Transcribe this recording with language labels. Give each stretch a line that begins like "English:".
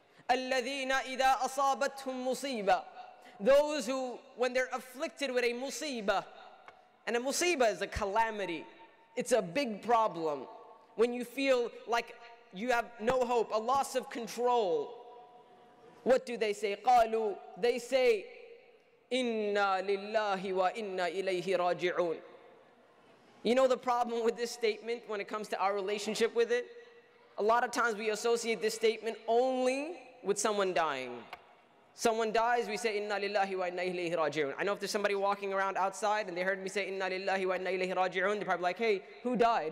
Arabic: الَّذِينَ إِذَا أَصَابَتْهُمْ مُصِيبًا,
English: those who, when they're afflicted with a musibah, and a musibah is a calamity, it's a big problem. When you feel like you have no hope, a loss of control, what do they say?
Arabic: قَالُوا,
English: they say,
Arabic: إِنَّا لِلَّهِ وَإِنَّا إِلَيْهِ رَاجِعُونَ.
English: You know the problem with this statement when it comes to our relationship with it? A lot of times we associate this statement only with someone dying. Someone dies, we say, Inna lillahi wa inna ilayhi raji'un. I know if there's somebody walking around outside and they heard me say, Inna lillahi wa inna ilayhi raji'un, they're probably like, hey, who died?